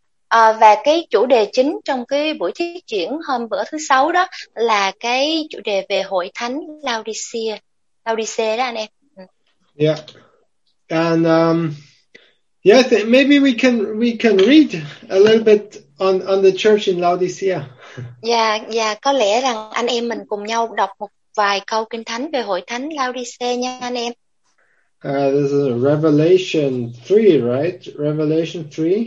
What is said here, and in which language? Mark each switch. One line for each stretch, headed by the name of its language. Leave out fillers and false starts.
Vietnamese: Và cái chủ đề chính trong cái buổi thuyết diễn hôm bữa thứ sáu đó là cái chủ đề về hội thánh Laodicea. Laodicea đó anh em.
English: Yeah. And yes, maybe we can read a little bit on the church in Laodicea.
Vietnamese: Có lẽ rằng anh em mình cùng nhau đọc một vài câu kinh thánh về hội thánh Laodicea nha anh em.
English: This is Revelation 3, right? Revelation 3.